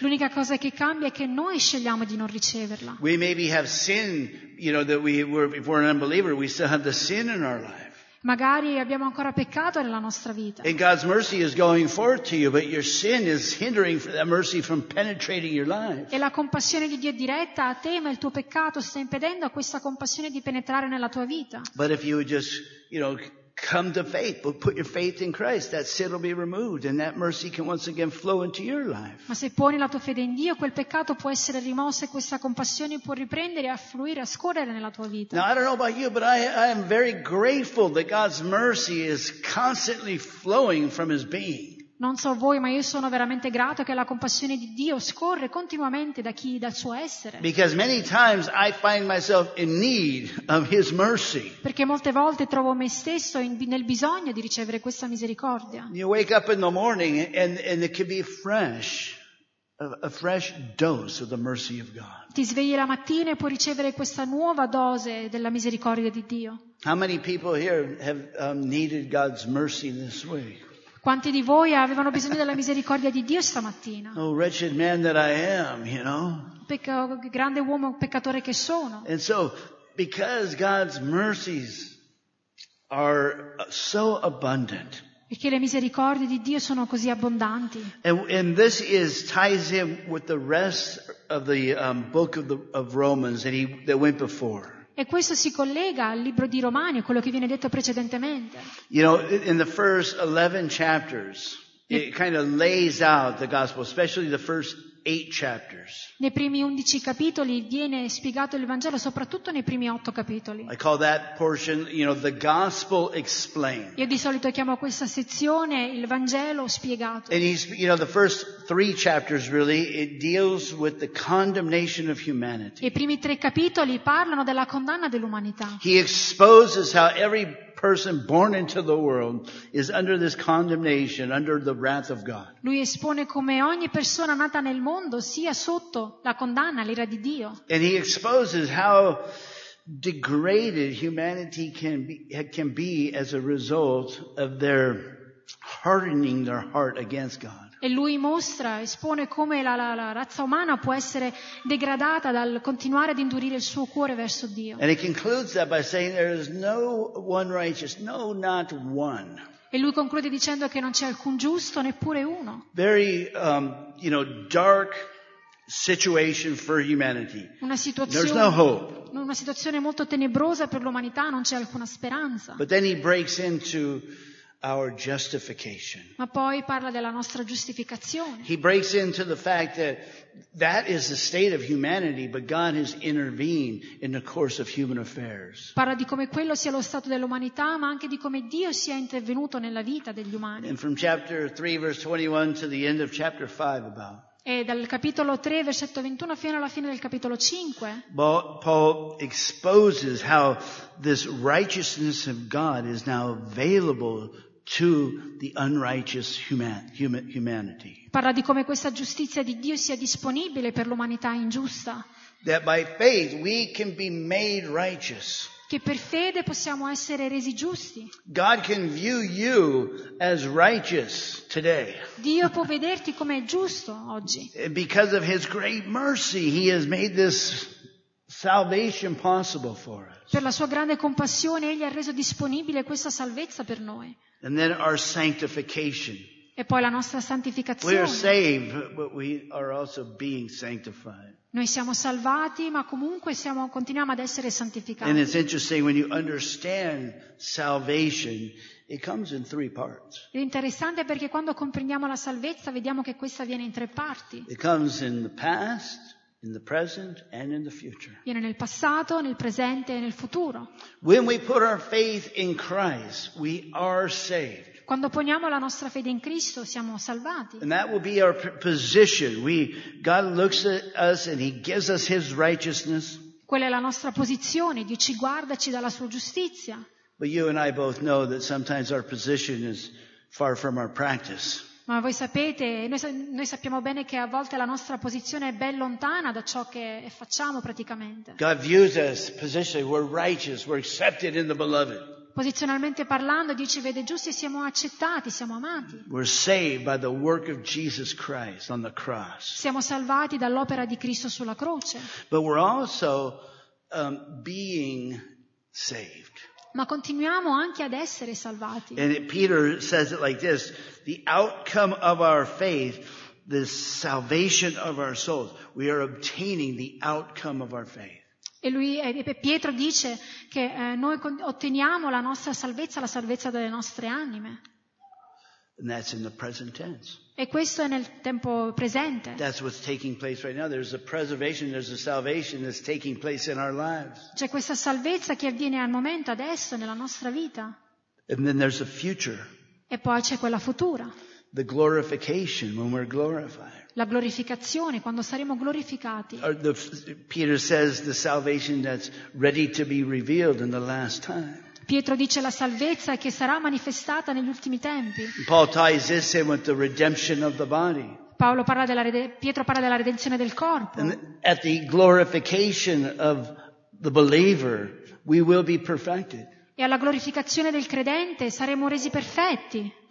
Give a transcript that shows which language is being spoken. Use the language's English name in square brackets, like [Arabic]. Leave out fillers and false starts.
[Italian] L'unica cosa che cambia è che noi scegliamo di non riceverla. [English] We maybe have sin, you know, that we were before an unbeliever, we still have the sin in our life. [Italian] Magari abbiamo ancora peccato nella nostra vita. [English] And God's mercy is going forth to you, but your sin is hindering that mercy from penetrating your life. [Italian] E la compassione di Dio è diretta a te, ma il tuo peccato sta impedendo a questa compassione di penetrare nella tua vita. [English] But if you would just, you know, come to faith, but put your faith in Christ, that sin will be removed and that mercy can once again flow into your life. [Italian] Ma se poni la tua fede in Dio, quel peccato può essere rimosso e questa compassione può riprendere a fluire, a scorrere nella tua vita. [English] Now, I don't know about you, but I am very grateful that God's mercy is constantly flowing from His being. [Italian] Non so voi, ma io sono veramente grato che la compassione di Dio scorre continuamente da chi, dal suo essere. [English] Because many times I find myself in need of His mercy. [Italian] Perché molte volte trovo me stesso nel bisogno di ricevere questa misericordia. [English] You wake up in the morning and it can be fresh. A fresh dose of the mercy of God. [Italian] Ti svegli la mattina e puoi ricevere questa nuova dose della misericordia di Dio. [English] How many people here have needed God's mercy this week? [Italian] Quanti di voi avevano bisogno della misericordia di Dio stamattina? [English] Oh, wretched man that I am, you know? [Italian] Grande uomo, peccatore che sono. [English] And so, because God's mercies are so abundant. [Italian] Perché le misericordie di Dio sono così abbondanti. [English] And this is ties in with the rest of the book of Romans that went before. [Italian] E questo si collega al libro di Romani, quello che viene detto precedentemente. [English] You know, in the first 11 chapters, it kind of lays out the gospel, especially the first 8 chapters. [Italian] Nei primi 11 capitoli viene spiegato il Vangelo, soprattutto nei primi 8 capitoli. [English] I call that portion, you know, the gospel explained. [Italian] Io di solito chiamo questa sezione il Vangelo spiegato. [English] And you know, the first 3 chapters really, it deals with the condemnation of humanity. [Italian] I primi 3 capitoli parlano della condanna dell'umanità. [English] He exposes how every person born into the world is under this condemnation, under the wrath of God. [Italian] Lui espone come ogni persona nata nel mondo sia sotto la condanna, l'ira di Dio. [English] And he exposes how degraded humanity can be as a result of their hardening their heart against God. [Italian] E lui mostra, espone come la razza umana può essere degradata dal continuare ad indurire il suo cuore verso Dio. [English] And he concludes that by saying there is no one righteous, no, not one. [Italian] E lui conclude dicendo che non c'è alcun giusto, neppure uno. [English] Very, you know, dark situation for humanity. [Italian] Una situazione, [English] there's no hope. [Italian] Una situazione molto tenebrosa per l'umanità, non c'è alcuna speranza. [English] But then he breaks into our justification. [Italian] Ma poi parla della nostra giustificazione. [English] He breaks into the fact that is the state of humanity, but God has intervened in the course of human affairs. [Italian] Parla di come quello sia lo stato dell'umanità, ma anche di come Dio sia intervenuto nella vita degli umani. [English] And from chapter 3 verse 21 to the end of chapter 5 about. [Italian] E dal capitolo 3 versetto 21 fino alla fine del capitolo 5. [English] Paul exposes how this righteousness of God is now available to the unrighteous humanity. [Italian] Parla di come questa giustizia di Dio sia disponibile per l'umanità ingiusta. [English] That by faith we can be made righteous. [Italian] Che per fede possiamo essere resi giusti. [English] God can view you as righteous today. [Italian] Dio può vederti come giusto oggi. [English] Because of His great mercy, He has made this salvation possible for us. [Italian] Per la sua grande compassione, Egli ha reso disponibile questa salvezza per noi. [English] And then our sanctification. [Italian] E poi la nostra santificazione. [English] We are saved, but we are also being sanctified. [Italian] Noi siamo salvati, ma comunque continuiamo ad essere santificati. [English] And it's interesting when you understand salvation, it comes in 3 parts. [Italian] È interessante perché quando comprendiamo la salvezza, vediamo che questa viene in 3 parti. [English] It comes in the past, in the present, and in the future. [Italian] Viene nel passato, nel presente e nel futuro. [English] When we put our faith in Christ, we are saved. [Italian] Quando poniamo la nostra fede in Cristo siamo salvati. [English] And that will be our position. God looks at us and He gives us His righteousness. [Italian] Quella è la nostra posizione, Dio ci guarda, ci dà la sua giustizia. [English] But you and I both know that sometimes our position is far from our practice. [Italian] Ma voi sapete, noi sappiamo bene che a volte la nostra posizione è ben lontana da ciò che facciamo praticamente. [English] God views us positionally, we're righteous, we're accepted in the beloved. [Italian] Posizionalmente parlando, Dio ci vede giusti e siamo accettati, siamo amati. [English] We're saved by the work of Jesus Christ on the cross. [Italian] Siamo salvati dall'opera di Cristo sulla croce. [English] But we're also being saved. [Italian] ma continuiamo anche ad essere salvati. [English] And Peter says it like this: the outcome of our faith, the salvation of our souls. We are obtaining the outcome of our faith. [Italian] E lui, Pietro dice che noi otteniamo la nostra salvezza, la salvezza delle nostre anime. [English] And that's in the present tense. [Italian] E questo è nel tempo presente. [English] That's what's taking place right now. There's a preservation, there's a salvation that's taking place in our lives. [Italian] C'è questa salvezza che avviene al momento, adesso, nella nostra vita. [English] And then there's a future. [Italian] E poi c'è quella futura. [English] The glorification when we're glorified. [Italian] La glorificazione, quando saremo glorificati. [English] Peter says the salvation that's ready to be revealed in the last time. [Italian] Pietro dice la salvezza che sarà manifestata negli ultimi tempi. [English] Paul ties this in with the redemption of the body. [Italian] Pietro parla della redenzione del corpo. [English] And at the glorification of the believer, we will be perfected. [Italian] E alla glorificazione del credente saremo resi perfetti.